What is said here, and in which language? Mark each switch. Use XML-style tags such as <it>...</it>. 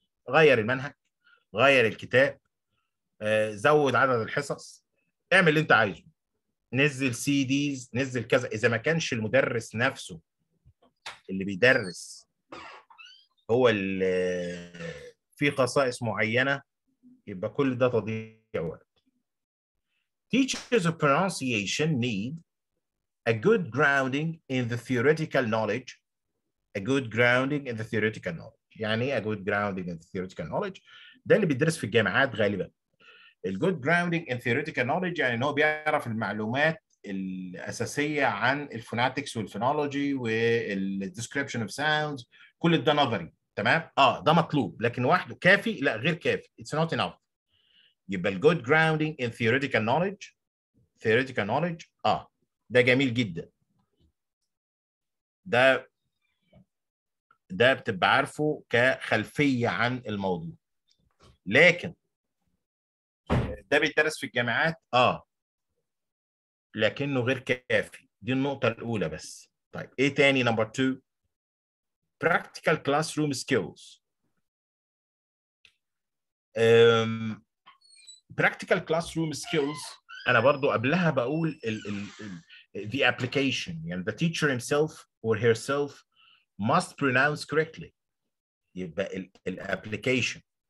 <ar>غير المنهج، غير الكتاب، زود عدد الحصص، اعمل اللي انت عايزه. نزل سي ديز، نزل كذا، إذا ما كانش المدرس نفسه اللي بيدرس هو اللي فيه خصائص معينة يبقى كل ده تضييع وقت.</ar> <en>Teachers of pronunciation need a good grounding in the theoretical knowledge, a good grounding in the theoretical knowledge. يعني a good grounding in the theoretical knowledge.</en> <ar>ده اللي بيدرس في الجامعات غالبا.</ar> <en>A good grounding in theoretical knowledge</en> <ar>يعني إنه بيعرف المعلومات الأساسية عن الفوناتكس والفونولوجي والديسكريبشن اوف ساوندز. كل ده نظري تمام؟ آه ده مطلوب لكن وحده كافي؟ لا غير كافي.</ar> <en>It's not enough. يبقى good grounding in theoretical knowledge. Theoretical knowledge</en> <ar>آه ده جميل جدا. ده بتبقى عارفه كخلفية عن الموضوع. لكن ده بيدرس في الجامعات آه لكنه غير كافي. دي النقطة الأولى بس. طيب إيه تاني؟</ar> <en>number two. Practical classroom skills. Practical classroom skills.</en> <ar>أنا برضو قبلها بقول</ar> <en>the application. يعني the teacher himself or herself must pronounce correctly.</en> <ar>يبقى ال application.</ar>